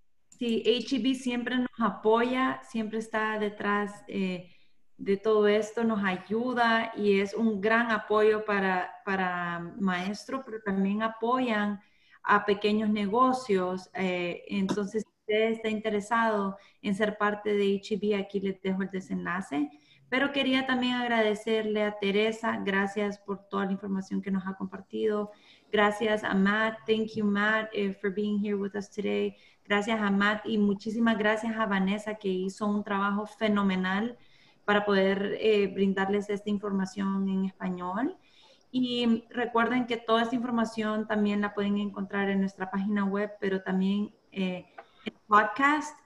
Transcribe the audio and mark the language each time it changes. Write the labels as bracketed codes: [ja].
[es] Sí, HEB siempre nos apoya, siempre está detrás de todo esto, nos ayuda y es un gran apoyo para maestros, pero también apoyan a pequeños negocios. Entonces, si usted está interesado en ser parte de HEB, aquí les dejo el desenlace. Pero quería también agradecerle a Teresa, gracias por toda la información que nos ha compartido. Gracias a Matt, [en] thank you Matt for being here with us today. [es] Gracias a Matt y muchísimas gracias a Vanessa que hizo un trabajo fenomenal para poder brindarles esta información en español. Y recuerden que toda esta información también la pueden encontrar en nuestra página web, pero también en podcast.